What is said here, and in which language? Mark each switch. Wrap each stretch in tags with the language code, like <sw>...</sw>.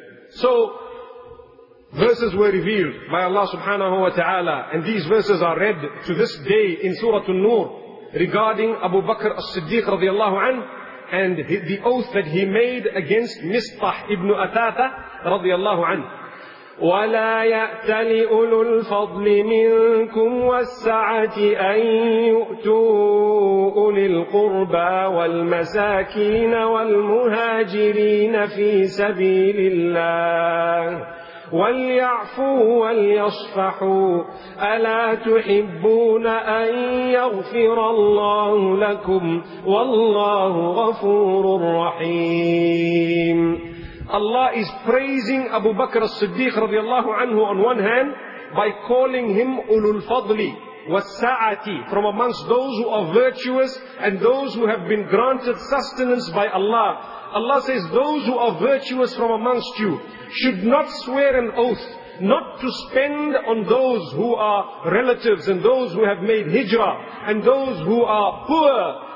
<en>So, verses were revealed by Allah subhanahu wa ta'ala, and these verses are read to this day in Surah An-Nur regarding Abu Bakr as-Siddiq radiallahu anhu and the oath that he made against Misbah ibn Atata radiallahu anhu.</en> <ar>ولا يأتل أولو الفضل منكم والسعة أن يؤتوا أولي القربى والمساكين والمهاجرين في سبيل الله وليعفوا وليصفحوا ألا تحبون أن يغفر الله لكم والله غفور رحيم.</ar> <en>Allah is praising Abu Bakr as-Siddiq radiallahu anhu on one hand by calling him ulul fadli was-sa'ati, from amongst those who are virtuous and those who have been granted sustenance by Allah. Allah says those who are virtuous from amongst you should not swear an oath not to spend on those who are relatives and those who have made hijrah and those who are poor.</en>